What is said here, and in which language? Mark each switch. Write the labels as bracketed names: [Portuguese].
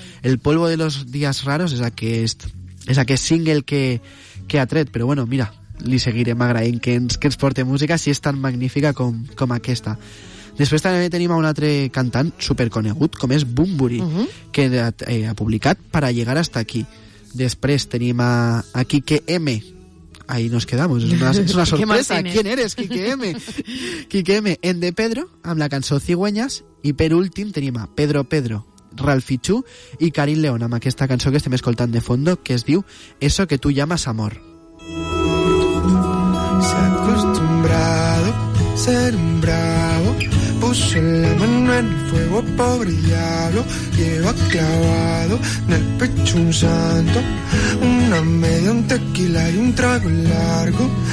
[Catalan] El Polvo de los Días Raros és aquest single que ha tret, però bueno, mira, li seguirem agraint que ens porte música si és tan magnífica com aquesta. Després també tenim a un altre cantant superconegut, com és Bunbury, que ha publicat Para llegar hasta aquí. Després tenim a Quique M. [Spanish] Ahí nos quedamos, es una sorpresa. ¿Quién eres, Quique M? [Catalan] Quique M, en De Pedro, amb la cançó Cigüeñas. I per últim tenim a Pedro Pedro, Ralfi Chu i Karim León, amb aquesta cançó que estem escoltant de fondo, que es diu Eso que tú llamas amor. [Spanish] Se ha acostumbrado ser un bravo, puso la mano en fuego, pobre diablo. Lleva clavado en el pecho un santo, una media, un tequila y un trago largo.